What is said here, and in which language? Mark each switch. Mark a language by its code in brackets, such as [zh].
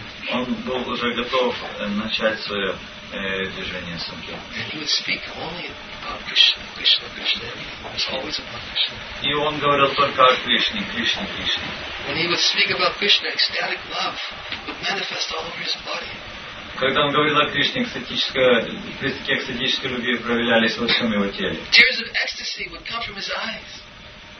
[ru] Он был уже готов начать свое движение Санкхи. И он говорил только о Кришне, Кришне, Кришне. [en] When he would speak about Krishna, ecstatic love would manifest all over his body. [ru] Когда он говорил о Кришне, признаки экстатической любви проявлялись во всем его теле. [en] Tears of ecstasy would come from his eyes.